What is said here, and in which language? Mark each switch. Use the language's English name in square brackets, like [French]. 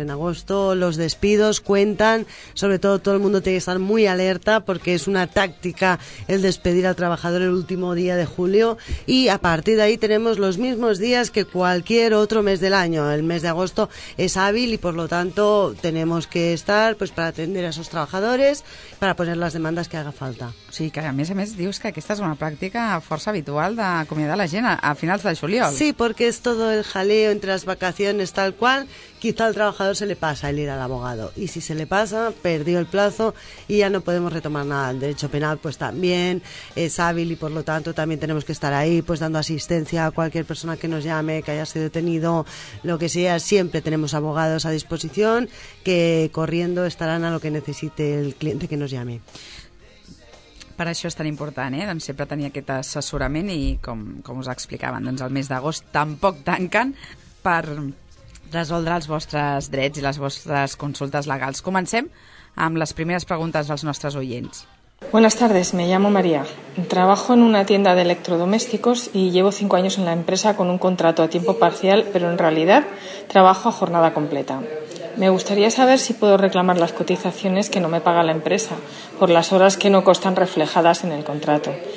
[Spanish] En agosto los despidos cuentan, sobre todo todo el mundo tiene que estar muy alerta, porque es una táctica el despedir al trabajador el último día de julio, y a partir de ahí tenemos los mismos días que cualquier otro mes del año. El mes de agosto es hábil y por lo tanto tenemos que estar pues para atender a esos trabajadores, para poner las demandas que haga falta. [Catalan] Sí, que a més, dius que aquesta és una pràctica força habitual d'acomiadar la gent a finals de juliol. [Spanish] Sí, porque es todo el jaleo entre las vacaciones, tal cual. Quizá al trabajador se le pasa el ir al abogado. Y si se le pasa, perdió el plazo y ya no podemos retomar nada. El derecho penal pues también es hábil y por lo tanto también tenemos que estar ahí pues dando asistencia a cualquier persona que nos llame, que haya sido detenido, lo que sea. Siempre tenemos abogados a disposición que corriendo estarán a lo que necesite el cliente que nos llame. [Catalan] Per això és tan important, eh? Doncs sempre tenir aquest assessorament i, com us explicaven, doncs el mes d'agost tampoc tanquen per resoldre els vostres drets i les vostres consultes legals. Comencem amb les primeres preguntes dels nostres oients. [Spanish] Buenas tardes, me llamo María. Trabajo en una tienda de electrodomésticos y llevo 5 años en la empresa con un contrato a tiempo parcial, pero en realidad trabajo a jornada completa. Me gustaría saber si puedo reclamar las cotizaciones que no me paga la empresa por las horas que no constan reflejadas en el contrato.